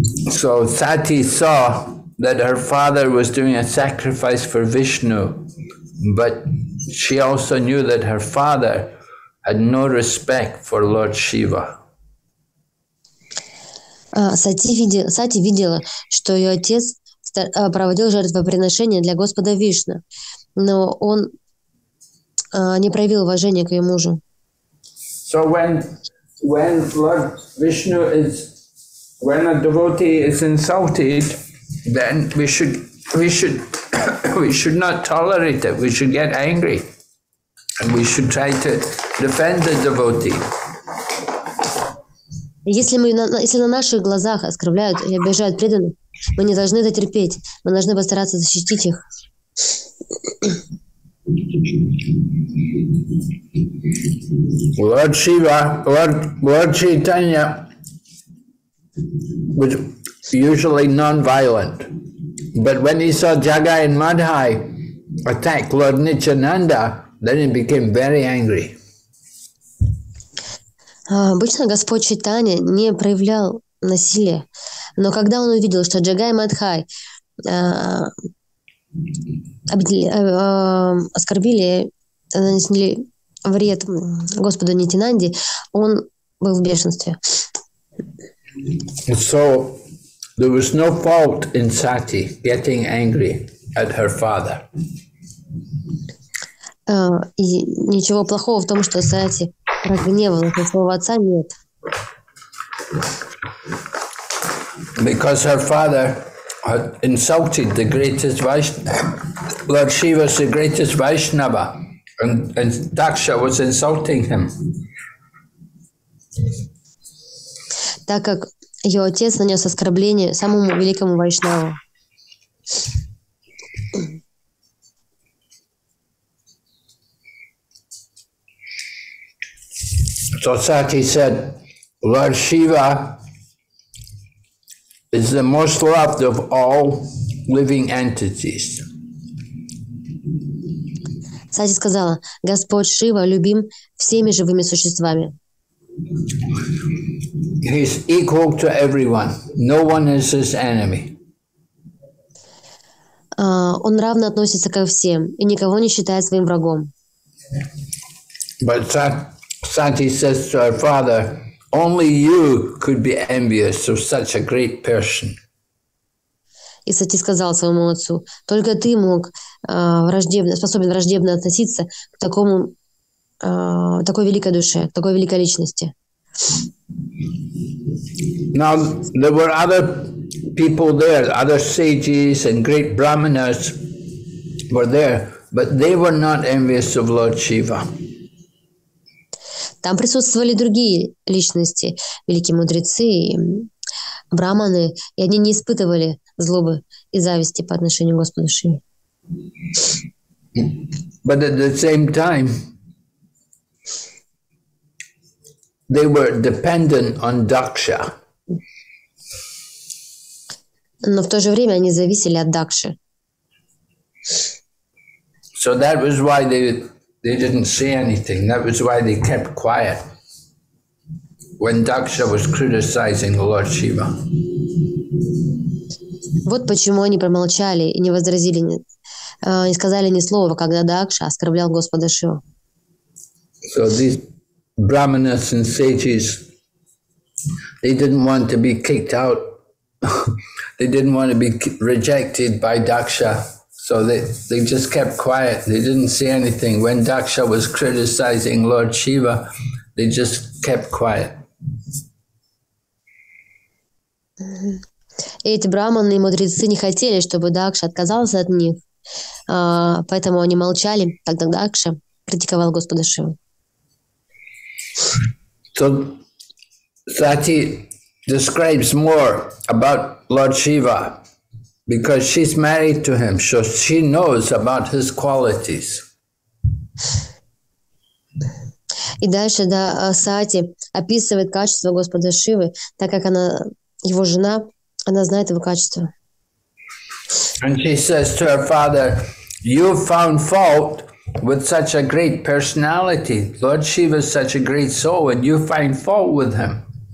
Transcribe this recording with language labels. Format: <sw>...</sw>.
<en>So Sati saw that her father was doing a sacrifice for Vishnu, but she also knew that her father had no respect for Lord Shiva.</en> <ru>Сати видела, что ее отец проводил жертвоприношение для Господа Вишну, но он не проявил уважения к ее мужу.</ru> <en>So when Lord Vishnu is, when a devotee is insulted, then we should not tolerate it. We should get angry. And we should try to defend the devotee.</en> <ru>Если на наших глазах оскорбляют и обижают преданных, мы не должны это терпеть. Мы должны постараться защитить их.</ru> <en>Lord Shiva, Lord Chaitanya was usually non-violent. But when he saw Jagai and Madhai attack Lord Nityananda, then he became very angry.</en> <ru>Обычно Господь Чайтанья не проявлял насилия, Но когда он увидел, что Джагай Мадхай оскорбили, нанесли вред Господу Нитинанде, он был в бешенстве.</ru> <en>So there was no fault in Sati getting angry at her father.</en> <ru>И ничего плохого в том, что Сати разгневалась на своего отца, нет.</ru> <en>Because her father had insulted the greatest Vaishnava. Lord Shiva was the greatest Vaishnava, and Daksha was insulting him.</en> <ru>Так как ее отец нанес оскорбление самому великому Вайшнаву.</ru> <en>So Sati said, Lord Shiva is the most loved of all living entities.</en> <ru>Сати сказала, Господь Шива любим всеми живыми существами.</ru> <en>He is equal to everyone. No one is his enemy.</en> <ru>Он равно относится ко всем и никого не считает своим врагом.</ru> <en>But Sati says to her father, only you could be envious of such a great person.</en> <ru>И Сати сказал своему отцу, только ты мог способен враждебно относиться к такому такой великой душе, такой великой личности.</ru> <en>Now there were other people there, other sages and great brahmanas were there, but they were not envious of Lord Shiva.</en> <ru>Там присутствовали другие личности, великие мудрецы, браманы, и они не испытывали злобы и зависти по отношению к Господу Шиве.</ru> <en>But at the same time, they were dependent on Daksha.</en> <ru>Но в то же время они зависели от Дакши.</ru> <en>So that was why they didn't say anything. That was why they kept quiet when Daksha was criticizing the Lord Shiva.</en> <ru>Вот почему они промолчали и не возразили, не сказали ни слова, когда Дакша оскорблял Господа Шиву.</ru> <en>So these brahmanas and sages, they didn't want to be kicked out. They didn't want to be rejected by Daksha, so they just kept quiet. They didn't say anything. When Daksha was criticizing Lord Shiva, they just kept quiet.</en> <ru>Эти браманы и мудрецы не хотели, чтобы Дакша отказался от них, поэтому они молчали, когда Дакша критиковал Господа Шиву.</ru> <en>So Sati describes more about Lord Shiva because she's married to him, so she knows about his qualities.</en> <ru>И дальше да, Сати описывает качество Господа Шивы, так как она его жена, она знает его качество.</ru> <en>And she says to her father, "You found fault with such a great personality. Lord Shiva is such a great soul, and you find fault with him."</en>